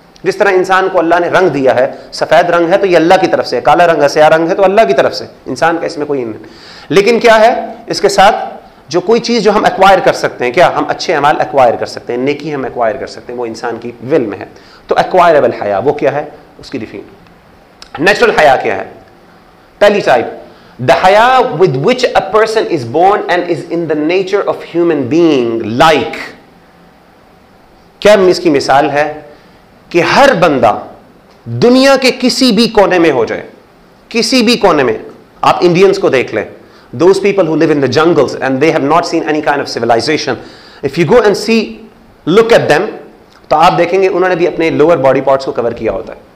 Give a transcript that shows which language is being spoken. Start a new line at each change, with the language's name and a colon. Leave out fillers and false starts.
Urdu: جس طرح انسان کو اللہ نے رنگ دیا ہے, سفید رنگ ہے تو یہ اللہ کی طرف سے ہے, کالا رنگ ہے, سیاہ رنگ ہے تو اللہ کی طرف سے, انسان کا اس میں کوئی نہیں. لیکن کیا ہے اس کے ساتھ, جو کوئی چیز جو ہم ایکوائر کر سکتے ہیں, کیا ہم اچھے اعمال ایکوائر کر سکتے ہیں, نیکی ہم ایکوائر کر سکتے ہیں, وہ انسان کی ول میں ہے. تو ایکوائربل حیا وہ کیا ہے, اس کی ڈیفینیشن نیچرل حیا کیا ہے؟
English: پہلی type the haya with which a person is born and is in the nature of human being.
Urdu: Like کیا اس کی مثال ہے؟ کہ ہر بندہ دنیا کے کسی بھی کونے میں ہو جائے, کسی بھی کونے میں, آپ انڈینز کو دیکھ لیں,
English: those people who live in the jungles and they have not seen any kind of civilization, if you go and see, look at them,
Urdu: تو آپ دیکھیں گے انہوں نے بھی اپنے lower body parts کو cover کیا ہوتا ہے.